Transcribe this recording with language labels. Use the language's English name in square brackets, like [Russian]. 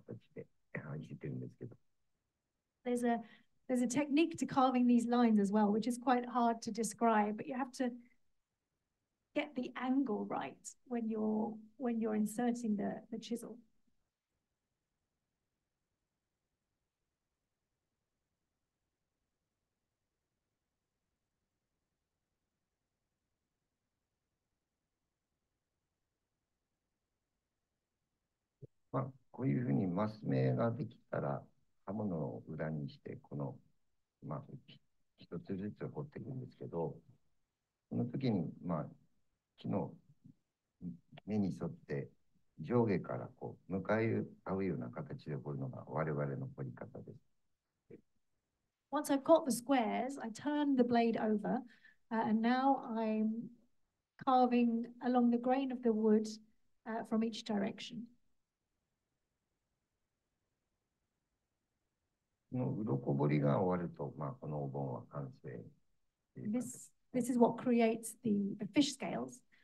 [Japanese] 線の入れ方にもしっかりと、あの、工夫があって、こういうような、なんていうんですかね、刃物が当たる方向に、あの、しっかりと刃物がぶつかるような形で、入れてるんですけど。 [English] There's a technique to carving these lines as well, which is quite hard to describe, but you have to get the angle right when you're inserting the chisel. [Japanese] まあ、こういうふうにマス目ができたら刃物を裏にして、この、まあ、一つずつ彫っていくんですけど、その時に、まあ、木の目に沿って上下からこう向かい合うような形で彫るのが我々の彫り方です。 [English] Once I've got the squares, I turn the blade over And now I'm carving along the grain of the wood from each direction. This is what creates the fish scales.